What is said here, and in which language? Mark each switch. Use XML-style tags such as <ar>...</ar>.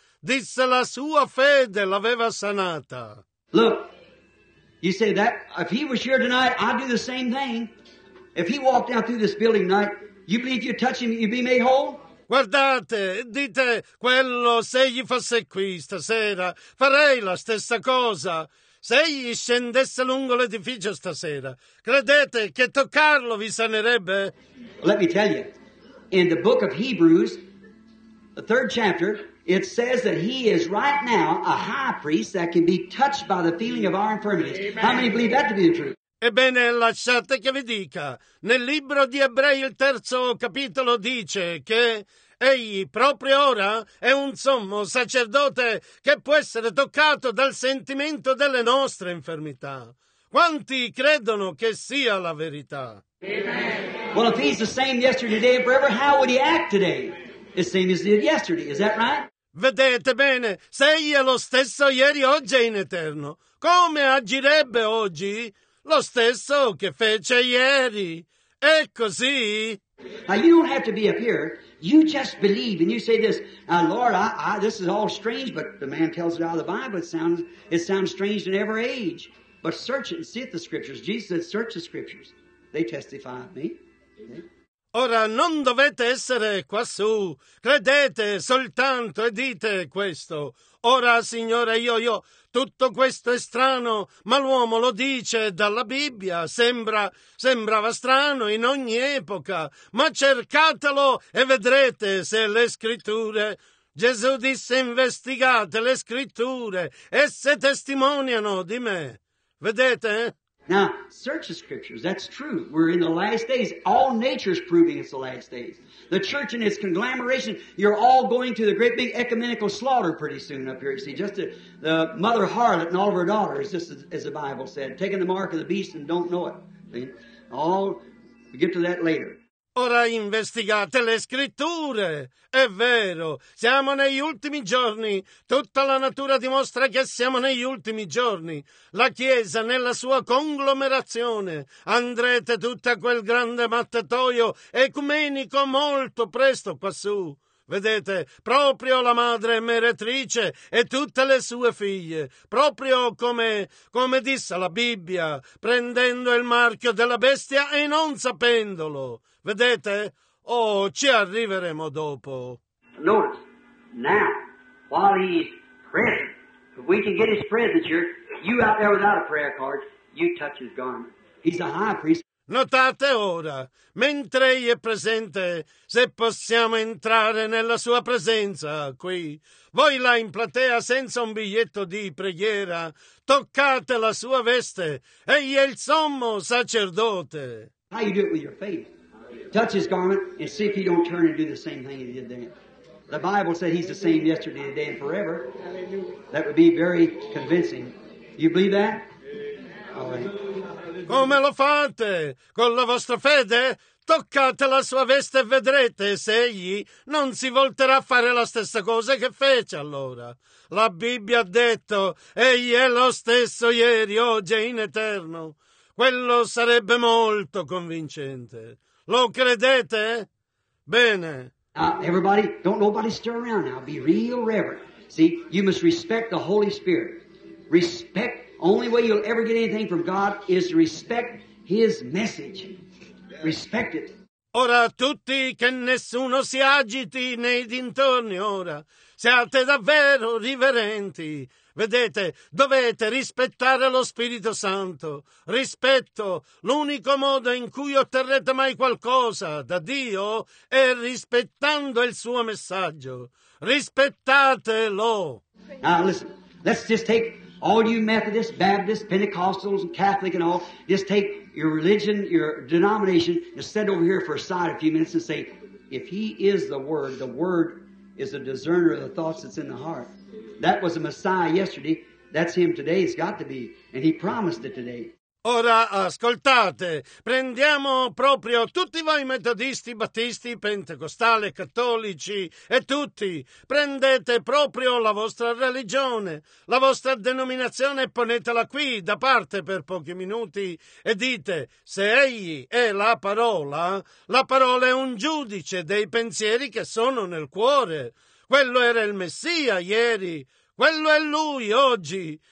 <it>Disse la sua fede l'aveva sanata.</it> <en>Look, you say that if he was here tonight, I'd do the same thing. If he walked out through this building tonight, you believe you touch him, you'd be made whole?</en> <it>Guardate, dite quello, se egli fosse qui stasera, farei la stessa cosa. Se egli scendesse lungo l'edificio stasera, credete che toccarlo vi sanerebbe?</it> <en>Let me tell you, in the book of Hebrews, the third chapter, it says that he is right now a high priest that can be touched by the feeling of our infirmities. Amen. How many believe that to be the truth?</en> <it>Ebbene, lasciate che vi dica, nel libro di Ebrei il terzo capitolo dice che egli proprio ora è un sommo sacerdote che può essere toccato dal sentimento delle nostre infermità. Quanti credono che sia la verità? Amen.</it> <en>Well, if he's the same yesterday, today, and forever, how would he act today? The same as he did yesterday, is that right?</en> <it>Vedete bene, se egli è lo stesso ieri, oggi e in eterno, come agirebbe oggi? Lo stesso che fece ieri. È così?</it> <en>Now, you don't have to be up here. You just believe, and you say this, now, Lord, I, this is all strange, but the man tells it out of the Bible. It sounds strange in every age. But search it and see if the Scriptures. Jesus said, search the Scriptures. They testify of me.</en> <it>Ora non dovete essere quassù, credete soltanto e dite questo. Ora, Signore, io tutto questo è strano, ma l'uomo lo dice dalla Bibbia, sembrava strano in ogni epoca, ma cercatelo e vedrete se le scritture. Gesù disse: investigate le scritture, esse testimoniano di me. Vedete?</it> <en>Now, search the scriptures. That's true. We're in the last days. All nature's proving it's the last days. The church and its conglomeration, you're all going to the great big ecumenical slaughter pretty soon up here. You see, just the mother harlot and all of her daughters, just as the Bible said, taking the mark of the beast and don't know it. All, we get to that later.</en> <it>Ora investigate le scritture. È vero, siamo negli ultimi giorni. Tutta la natura dimostra che siamo negli ultimi giorni. La Chiesa nella sua conglomerazione. Andrete tutti a quel grande mattatoio ecumenico molto presto quassù. Vedete, proprio la madre meretrice e tutte le sue figlie, proprio come disse la Bibbia, prendendo il marchio della bestia e non sapendolo. Vedete? Oh, ci arriveremo dopo.</it> <en>Notice, now, while he's present, if we can get his presence here, you out there without a prayer card, you touch his garment. He's a high priest.</en> <it>Notate ora, mentre egli è presente, se possiamo entrare nella sua presenza qui, voi là in platea senza un biglietto di preghiera, toccate la sua veste, egli è il sommo sacerdote.</it> <en>How you do it with your faith? Touch his garment and see if he don't turn and do the same thing he did then. The Bible said he's the same yesterday, today, and forever. That would be very convincing. You believe that?</en> <it>Come lo fate? Con la vostra fede? Toccate la sua veste e vedrete se egli non si volterà a fare la stessa cosa che fece allora. La Bibbia ha detto, egli è lo stesso ieri, oggi e in eterno. Quello sarebbe molto convincente. Lo credete? Bene.</it> <en>Everybody, don't nobody stir around now. Be real reverent. See, you must respect the Holy Spirit. Respect. Only way you'll ever get anything from God is to respect His message. Respect it.</en> <it>Ora tutti, che nessuno si agiti nei dintorni ora. Siate davvero riverenti. Vedete, dovete rispettare lo Spirito Santo. Rispetto, l'unico modo in cui otterrete mai qualcosa da Dio è rispettando il suo messaggio. Rispettatelo.</it> <en>Now listen, let's just take all you Methodists, Baptists, Pentecostals, and Catholic and all, just take your religion, your denomination, and sit over here for a side a few minutes and say, if he is the Word is a discerner of the thoughts that's in the heart. That was a Messiah yesterday, that's him today, it's got to be, and he promised it today.</en> <it>Ora ascoltate, prendiamo proprio tutti voi metodisti, battisti, pentecostali, cattolici e tutti, prendete proprio la vostra religione, la vostra denominazione e ponetela qui da parte per pochi minuti e dite, se egli è la parola è un giudice dei pensieri che sono nel cuore, quello era il Messia ieri, quello è lui oggi.</it>